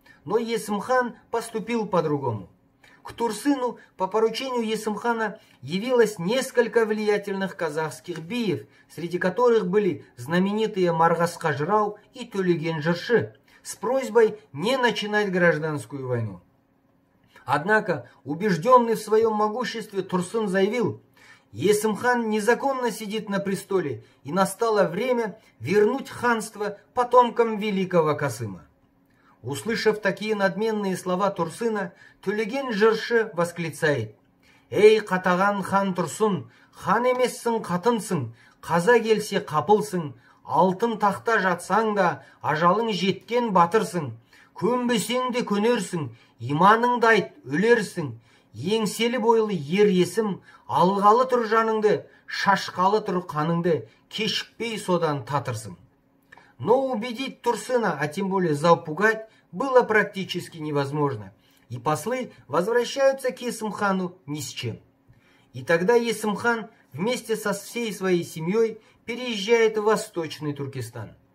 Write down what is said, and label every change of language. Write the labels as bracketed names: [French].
[Russian] Но Есимхан поступил по-другому. К Турсыну по поручению Есимхана явилось несколько влиятельных казахских биев, среди которых были знаменитые Маргас-Хажрау и Тюлиген-Жирши, с просьбой не начинать гражданскую войну. Однако, убежденный в своем могуществе, Турсын заявил, Есмхан незаконно сидит на престоле, и настало время вернуть ханство потомкам великого Касыма. Услышав такие надменные слова Турсына, Тюлеген жырши восклицает: [Kazakh] «Эй, катаган хан Турсын, хан эмессін катынсын, каза келсе капылсын, алтын тақта жатсаң да, ажалың жеткен батырсын, көмбесең де көнерсін, иманың дайт, өлерсін, еңселі бойлы ер есім, алғалы тұр жаныңды, шашқалы тұр қаныңды, кешікпей содан татырсын». [Russian] Но убедить Турсына, а тем более запугать, было практически невозможно. И послы возвращаются к Есмхану ни с чем. И тогда Есмхан вместе со всей своей семьей переезжает в Восточный Туркестан.